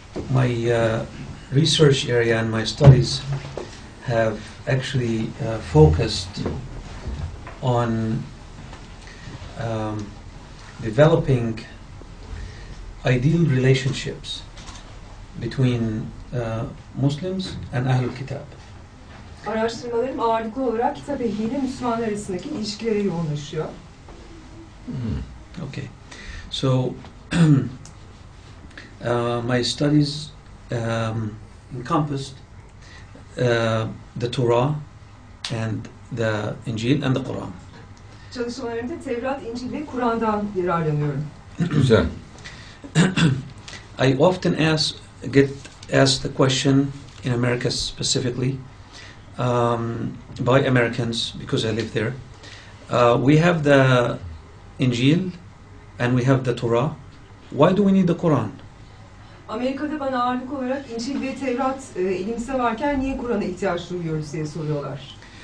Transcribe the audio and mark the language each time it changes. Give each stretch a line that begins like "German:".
English: My research area and my studies have actually focused on developing ideal relationships between Muslims and Ahlul Kitab.
Turkish: Araştırmalarım ağırlıklı olarak kitap ehliyle Müslümanlar arasındaki ilişkilere yoğunlaşıyor.
English: Okay. So my studies encompassed the Torah and the Injil and the Quran.
Turkish: Çalışmalarımda Tevrat, İncil ve Kur'an'dan yararlanıyorum. Güzel.
English: I often get asked the question in America specifically by Americans because I live there. We have the Injil and we have the Torah. Why do we need the Quran?
Turkish: Amerika'da bana ağırlık olarak İncil ve Tevrat elimizde varken niye Kur'an'a ihtiyaç duyuyoruz diye soruyorlar.